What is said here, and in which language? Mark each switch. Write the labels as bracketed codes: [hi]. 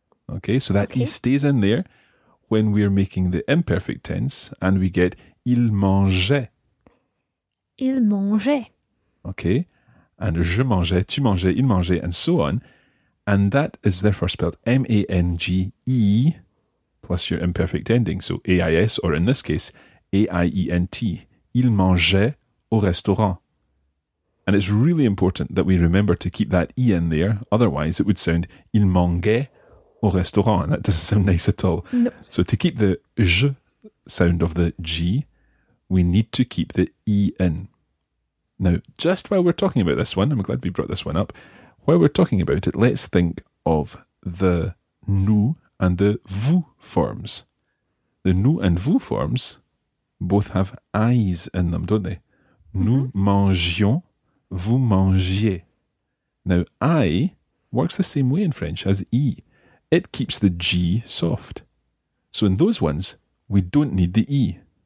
[en] Okay, so that okay. E stays in there when we're making the imperfect tense and we get il mangeait. [fr] Il mangeait. [en] Okay, and [fr] je mangeais, tu mangeais, il mangeait, [en] and so on. And that is therefore spelled M-A-N-G-E plus your imperfect ending. So A-I-S, or in this case, A-I-E-N-T. [fr] Il mangeait au restaurant. [en] And it's really important that we remember to keep that E in there. Otherwise, it would sound [fr] il mangeait au restaurant, [en] and that doesn't sound nice at all. No. So to keep the J sound of the G, we need to keep the E in. Now, just while we're talking about this one, I'm glad we brought this one up, while we're talking about it, let's think of the nous and the vous forms. The nous and vous forms both have I's in them, don't they? Mm-hmm. [fr] Nous mangions, vous mangiez. [en] Now, I works the same way in French as E. It keeps the G soft. So in those ones, we don't need the E.